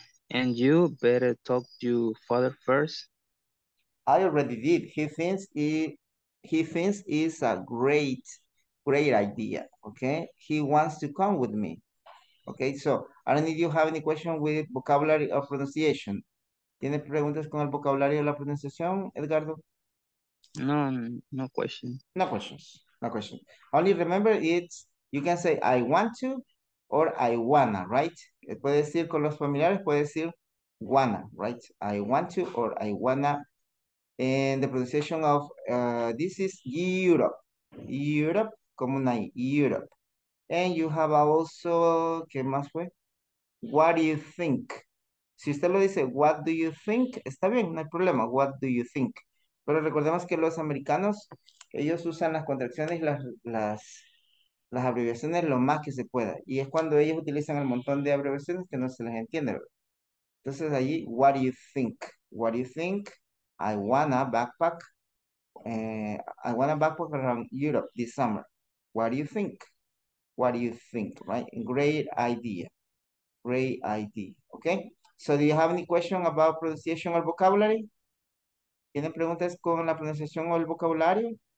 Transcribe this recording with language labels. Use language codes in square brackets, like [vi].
[en] And you better talk to your father first. I already did. He thinks it's a great idea, okay? He wants to come with me. Okay, so I don't need you have any question with vocabulary or pronunciation. [es] ¿Tiene preguntas con el vocabulario de la pronunciación, Edgardo? [en] No, no question. No questions. No questions. Only remember it's, you can say I want to or I wanna, right? [es] Puede decir con los familiares, puede decir wanna, [en] right? I want to or I wanna. And the pronunciation of this is Europe. Europe, [es] como una [en] Europe. And you have also, [es] ¿qué más fue? [en] What do you think? [es] Si usted lo dice, [en] what do you think? [es] Está bien, no hay problema, [en] what do you think? [es] Pero recordemos que los americanos, ellos usan las contracciones y las abreviaciones lo más que se pueda. Y es cuando ellos utilizan el montón de abreviaciones que no se les entiende. Entonces allí, [en] what do you think? What do you think? I wanna backpack. I wanna backpack around Europe this summer. What do you think? What do you think, right? Great idea. Great idea, okay? So do you have any question about pronunciation or vocabulary? [es] ¿Tienen preguntas con la pronunciación o el vocabulario?